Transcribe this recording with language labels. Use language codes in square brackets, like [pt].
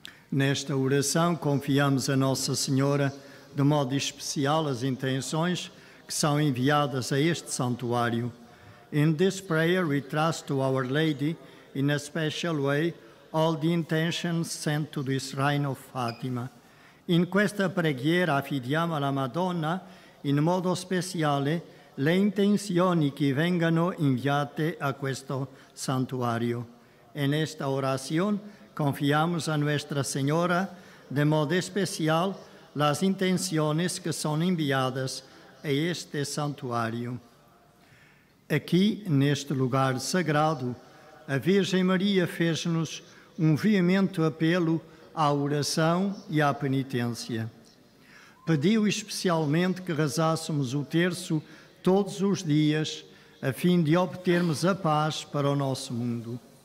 [pt] Nesta oração confiamos a Nossa Senhora, de modo especial, as intenções que são enviadas a este santuário. [en] In this prayer we trust to Our Lady, in a special way, all the intentions sent to this Rhine of Fatima. [it] In questa preghiera affidiamo alla Madonna, in modo speciale, le intenzioni che vengano inviate a questo santuario. [es] En esta oración confiamos a Nuestra Señora, de modo especial, las intenciones que son enviadas a este santuario. [pt] Aquí, neste lugar sagrado, a Virgem Maria fez-nos um veemente apelo à oração e à penitência. Pediu especialmente que rezássemos o terço todos os dias, a fim de obtermos a paz para o nosso mundo.